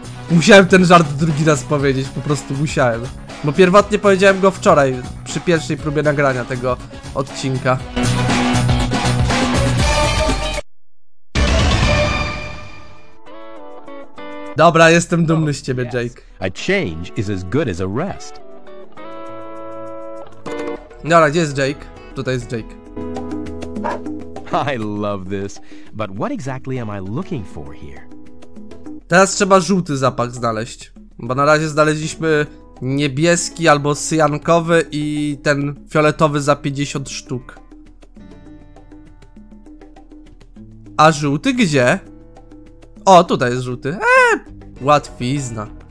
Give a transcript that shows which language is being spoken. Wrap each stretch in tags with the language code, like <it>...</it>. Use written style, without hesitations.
<pl>Musiałem ten żart drugi raz powiedzieć, po prostu musiałem. Bo pierwotnie powiedziałem go wczoraj, przy pierwszej próbie nagrania tego odcinka. Dobra, jestem dumny z ciebie, Jake.</pl> <en>A change is as good as a rest.</en> <pl>Dobra, gdzie jest Jake? Tutaj jest Jake.</pl> <en>I love this, but what exactly am I looking for here?</en> <pl>Teraz trzeba żółty zapach znaleźć, bo na razie znaleźliśmy niebieski albo syjankowy i ten fioletowy za 50 sztuk. A żółty gdzie? O, tutaj jest żółty. Łatwizna.</pl>